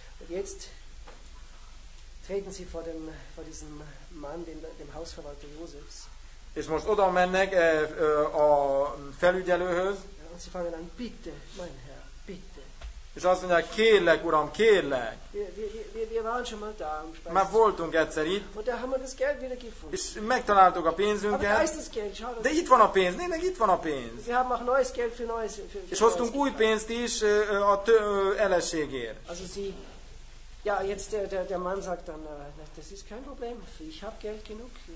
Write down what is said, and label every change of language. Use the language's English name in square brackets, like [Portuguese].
[German] Und jetzt treten sie vor diesem Mann, dem Hausverwalter Josefs. [Hungarian] És most oda mennek a felügyelőhöz. [German] Ja, und sie fangen an, bitte, mein Herr, bitte. [Hungarian] És azt mondják, kérlek, uram, kérlek. [German] Wir waren schon mal da. [Hungarian] Már voltunk egyszer itt. [German] Und da haben wir das Geld wieder gefunden. [Hungarian] És megtaláltuk a pénzünket. [German] Aber da ist das Geld, schau das. [Hungarian] De itt van a pénz, nényleg itt van a pénz. [German] Wir haben auch neues Geld für neues. Für [Hungarian] és hoztunk új pénzt is a ellenségért. [German] Also sie, ja, jetzt der Mann sagt dann, das ist kein Problem, ich habe Geld genug.